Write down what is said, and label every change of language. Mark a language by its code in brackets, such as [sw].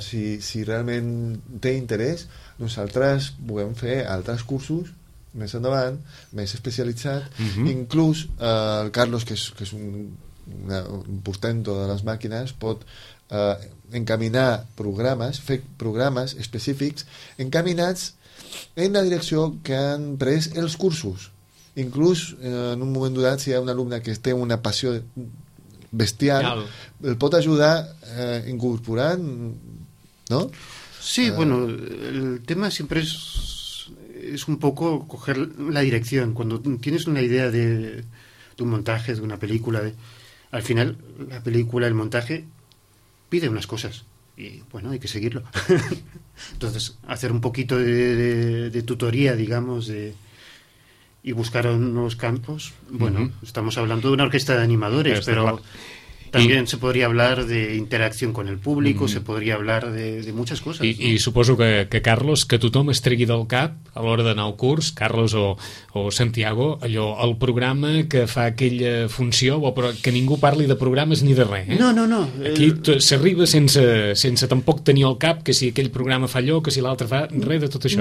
[ca] Si realment té interès, nosaltres volem fer altres cursos més endavant, més especialitzats, inclús el Carlos, que és un portento de les màquines, pot encaminar programes, fer programes específics encaminats en la direcció que han pres els cursos. Inclús en un moment donat, si hi ha un alumne que té una passió bestial, el pot ajudar incorporant, no? [es] Sí, bueno, el tema [ca] sempre és [es] un poco coger la direcció. Cuando tienes una idea de un montaje, de una película, al final la película, el montaje pide unas cosas y bueno, hay que seguirlo. Entonces, hacer un poquito de tutoría, digamos, y buscaron nuevos campos. Bueno, uh-huh. estamos hablando de una orquesta de animadores, pero también se podría hablar de interacción con el público, uh-huh. se podría hablar de muchas cosas. [ca] I suposo que Carlos, que tothom es tregui del cap a l'hora d'anar al curs, Carlos o Santiago, allò, el programa que fa aquella funció, però que ningú parli de programes ni de res. Eh? No. Aquí s'arriba sense tampoc tenir al cap que si aquell programa fa allò, que si l'altre fa res de tot això.